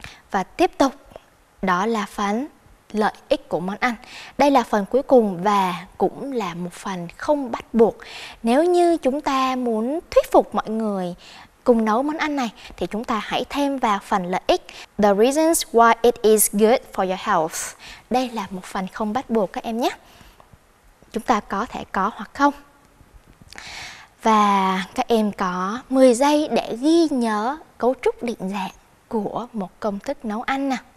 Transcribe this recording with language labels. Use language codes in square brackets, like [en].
[vi] Và tiếp tục, đó là phần lợi ích của món ăn. Đây là phần cuối cùng và cũng là một phần không bắt buộc. Nếu như chúng ta muốn thuyết phục mọi người cùng nấu món ăn này, thì chúng ta hãy thêm vào phần lợi ích. [en] The reasons why it is good for your health. [vi] Đây là một phần không bắt buộc các em nhé. Chúng ta có thể có hoặc không. Và các em có 10 giây để ghi nhớ cấu trúc định dạng của một công thức nấu ăn nè.